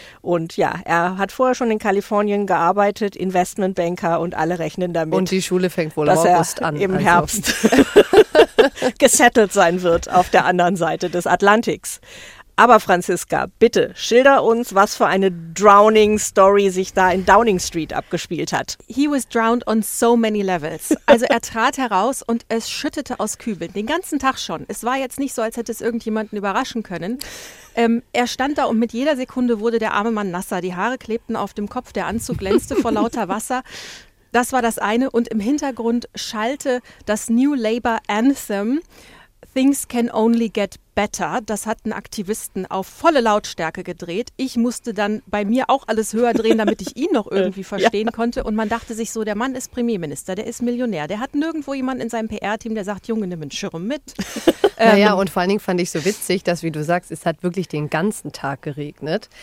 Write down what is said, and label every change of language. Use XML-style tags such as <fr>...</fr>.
<de>Und ja, er hat vorher schon in Kalifornien gearbeitet, Investmentbanker und alle rechnen damit. Und die Schule fängt wohl im August an. Im Herbst gesettelt sein wird auf der anderen Seite des Atlantiks. Aber Franziska, bitte schilder uns, was für eine Drowning-Story sich da in Downing Street abgespielt hat.</de> <en>He was drowned on so many levels.</en> <de>Also er trat heraus und es schüttete aus Kübeln, den ganzen Tag schon. Es war jetzt nicht so, als hätte es irgendjemanden überraschen können. Er stand da und mit jeder Sekunde wurde der arme Mann nasser. Die Haare klebten auf dem Kopf, der Anzug glänzte vor lauter Wasser. Das war das eine. Und im Hintergrund schallte das New Labour Anthem.</de> <en>Things can only get better.</en> <de>Das hatten Aktivisten auf volle Lautstärke gedreht. Ich musste dann bei mir auch alles höher drehen, damit ich ihn noch irgendwie verstehen konnte. Und man dachte sich so, der Mann ist Premierminister, der ist Millionär. Der hat nirgendwo jemanden in seinem PR-Team, der sagt, Junge, nimm einen Schirm mit. Naja, und vor allen Dingen fand ich so witzig, dass, wie du sagst, es hat wirklich den ganzen Tag geregnet.</de>